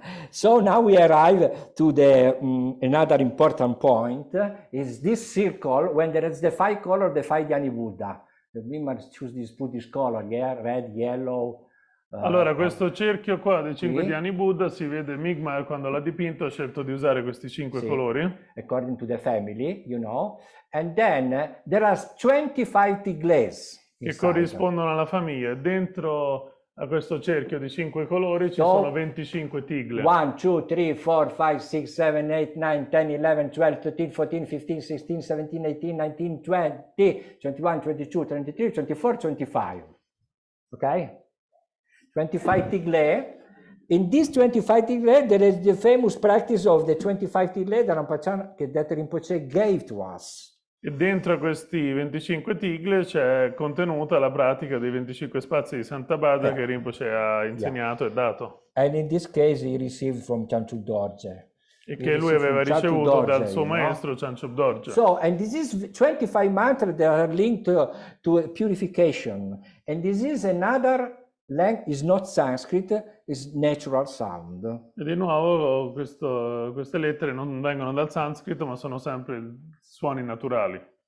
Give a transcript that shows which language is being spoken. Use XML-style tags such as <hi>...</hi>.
<en>So now we arrive to the another important point is this circle when there is the 5 color, the 5 Dhyani Buddha. The Vimars choose this Buddhist color, yeah, red, yellow.</en> <it>Allora, questo cerchio qua dei 5 Dhyani Buddha si vede Mi'kmaq quando l'ha dipinto, ha scelto di usare questi 5 colori.</it> <en>According to the family, you know. And then there are 25 tigles.</en> <it>Che corrispondono alla famiglia. Dentro a questo cerchio di 5 colori ci sono 25 tigle. 1, 2, 3, 4, 5, 6, 7, 8, 9, 10, 11, 12, 13, 14, 15, 16, 17, 18, 19, 20, 21, 22, 23, 24, 25. Ok? 25 tigle.</it> <en>In this 25 tigle, there is the famous practice of the 25 tigle that Rinpoche, that Rinpoche gave to us.</en> <it>E dentro questi 25 tigle c'è contenuta la pratica dei 25 spazi di Santa Bada che Rinpoche ha insegnato e dato.</it> <en>And in this case he received from Chanchu Dorje.</en> <it>E che lui aveva ricevuto dal suo maestro Chanchub Dorje.</it> <en>So, and this is 25 mantras that are linked to purification. And this is another language, is not Sanskrit, is natural sound.</en> <it>E di nuovo queste lettere non vengono dal sanscrito, ma sono sempre suoni naturali.</it>